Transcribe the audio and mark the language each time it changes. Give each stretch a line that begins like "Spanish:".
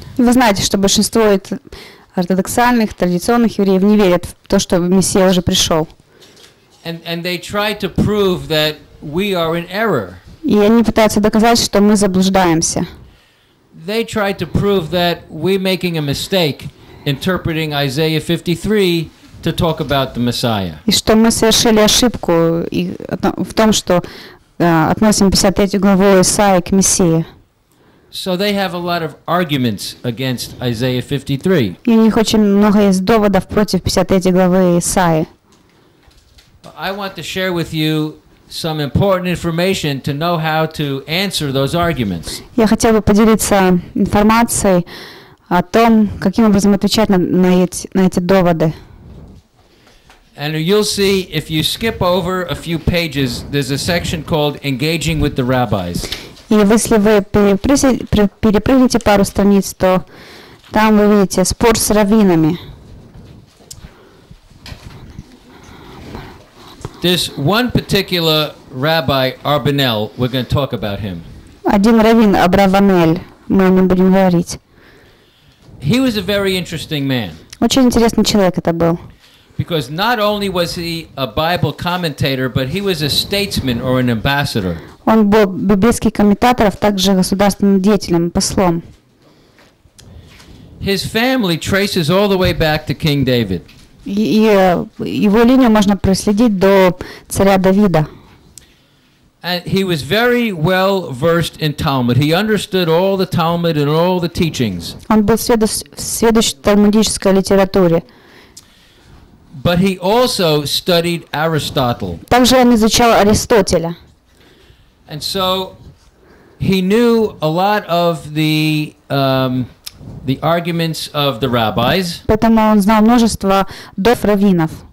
Russian: Вы знаете, что большинство ортодоксальных, традиционных евреев не верят в то, что Мессия уже пришел.
English: And they try to prove that we are in error.
Russian: И они пытаются доказать, что мы заблуждаемся.
English: They try to prove that we're making a mistake interpreting Isaiah 53 to talk about the Messiah.
Russian: И что мы совершили ошибку в том, что относим 53 главу Исаии к Мессии.
English: So they have a lot of arguments against Isaiah 53.
Russian: И у них очень много есть доводов против 53 главы Исаии.
English: I want to share with you some important information to know how to answer those arguments.
Russian: Я хотел бы поделиться информацией о том, каким образом отвечать на эти доводы.
English: And you'll see if you skip over a few pages, there's a section called Engaging with the Rabbis.
Russian: И если вы перепрыгнете пару страниц, то там вы увидите спор с раввинами.
English: This one particular rabbi, Abravanel, we're going to talk about him.
Russian: Один раввин Абравамель, мы о нем будем говорить.
English: He was a very interesting man.
Russian: Очень интересный человек это был.
English: Because not only was he a Bible commentator, but he was a statesman or an ambassador.
Russian: Он был библейский комментатор, а также государственным деятелем, послом.
English: His family traces all the way back to King David.
Russian: И его линию можно проследить до царя Давида.
English: And he was very well versed in Talmud. He understood all the Talmud and all the teachings.
Russian: Он был сведущ в талмудической литературе.
English: But he also studied Aristotle.
Russian: Также он изучал Аристотеля.
English: And so he knew a lot of the arguments of the rabbis.
Russian: Поэтому он знал множество дов раввинов.